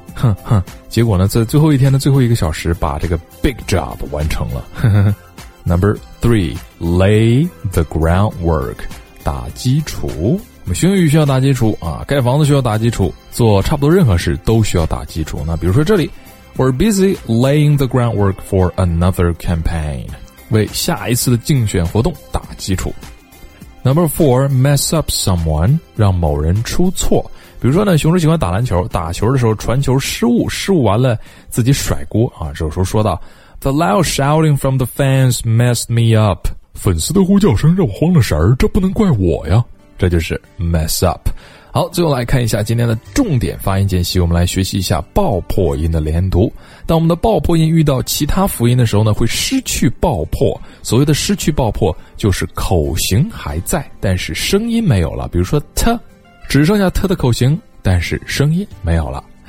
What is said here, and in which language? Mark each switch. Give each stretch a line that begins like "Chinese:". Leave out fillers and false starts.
Chinese: 哼哼，结果呢在最后一天的最后一个小时把这个 big job 完成了。
English: Number three, lay the groundwork,
Chinese: 打基础。我们学英语需要打基础啊，盖房子需要打基础，做差不多任何事都需要打基础。那比如说这里
English: We're busy laying the groundwork for another campaign.
Chinese: 为下一次的竞选活动打基础。
English: Number four, mess up someone,
Chinese: 让某人出错。比如说呢，熊叔喜欢打篮球，打球的时候传球失误，失误完了自己甩锅啊。这时候说到
English: The loud shouting from the fans messed me up.
Chinese: 粉丝的呼叫声让我慌了神儿，这不能怪我呀。这就是 mess up。好，最后来看一下今天的重点发音间隙，我们来学习一下爆破音的连读。当我们的爆破音遇到其他辅音的时候呢，会失去爆破。所谓的失去爆破就是口型还在，但是声音没有了。比如说 t 只剩下 t 的口型，但是声音没有了。